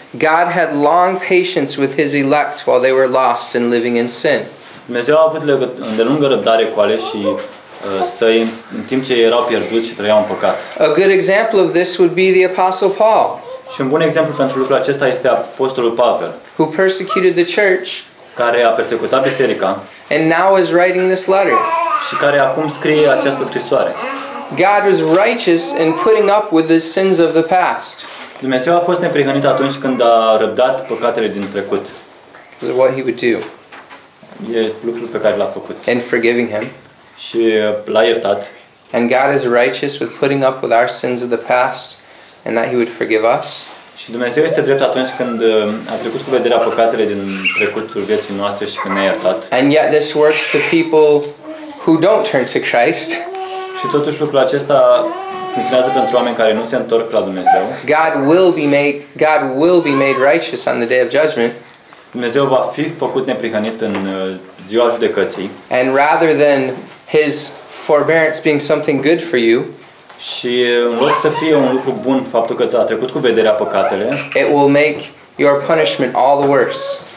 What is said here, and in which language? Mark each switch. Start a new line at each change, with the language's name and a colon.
English: God had long patience with his elect while they were lost and living in sin.
Romanian: Dumnezeu a avut îndelungă răbdare cu aleșii și săi în timp ce erau pierduți și trăiau în păcat.
English: A good example of this would be the Apostle Paul.
Romanian: Și un bun exemplu pentru lucrul acesta este Apostolul Pavel,
English: who persecuted the church,
Romanian: care a persecutat biserica,
English: and now is writing this letter,
Romanian: și care acum scrie această scrisoare.
English: God was righteous in putting up with the sins of the past.
Romanian: Dumnezeu a fost neprihănit atunci când a răbdat păcatele din trecut.
English: This is what he would do.
Romanian: E lucrul pe care l-a făcut.
English: And forgiving him.
Romanian: Și l-a iertat.
English: And God is righteous with putting up with our sins of the past and that he would forgive us.
Romanian: Și Dumnezeu este drept atunci când a trecut cu vederea păcatele din trecutul vieții noastre și când ne-a iertat.
English: And yet this works to people who don't turn to Christ.
Romanian: Și totuși lucrul acesta funcționează pentru oameni care nu se întorc la Dumnezeu.
English: God will be made righteous on the day of judgment.
Romanian: Dumnezeu va fi făcut neprihănit în ziua judecății.
English: And rather than his forbearance being something good for you,
Romanian: și în loc să fie un lucru bun faptul că a trecut cu vederea păcatele,
English: it will make your punishment all the worse.